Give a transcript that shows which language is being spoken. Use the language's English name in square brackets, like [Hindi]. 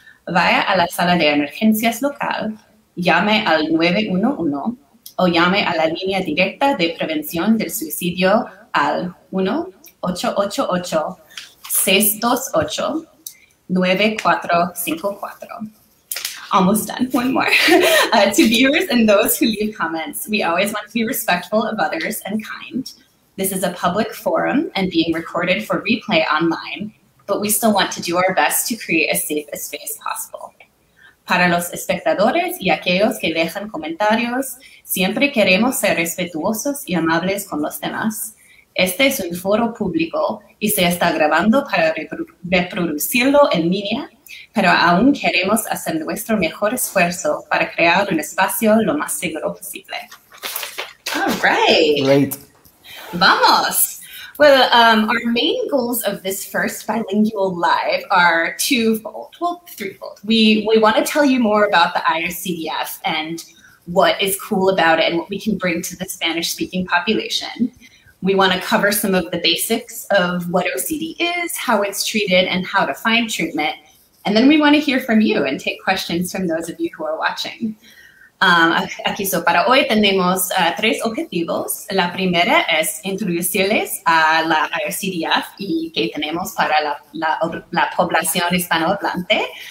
[Spanish] vaya a la sala de emergencias local, llame al 911 o llame a la línea directa de prevención del suicidio al 1-888-628-9454. [English] Almost done. One more. To viewers and those who leave comments, we always want to be respectful of others and kind. This is a public forum and being recorded for replay online, but we still want to do our best to create as safe a space possible. [Spanish] Para los espectadores y aquellos que dejan comentarios, siempre queremos ser respetuosos y amables con los demás. Este es un foro público y se está grabando para reproducirlo en línea, pero aún queremos hacer nuestro mejor esfuerzo para crear un espacio lo más seguro posible. [English] All right. Great. [Spanish] Vamos. [English] Well, our main goals of this first bilingual live are twofold, well, threefold. We want to tell you more about the IOCDF and what is cool about it and what we can bring to the Spanish-speaking population. We want to cover some of the basics of what OCD is, how it's treated, and how to find treatment. And then we want to hear from you and take questions from those of you who are watching. [Spanish] Aquí, so para hoy tenemos tres objetivos. La primera es introducirles a la IOCDF y que tenemos para la población hispanohablante.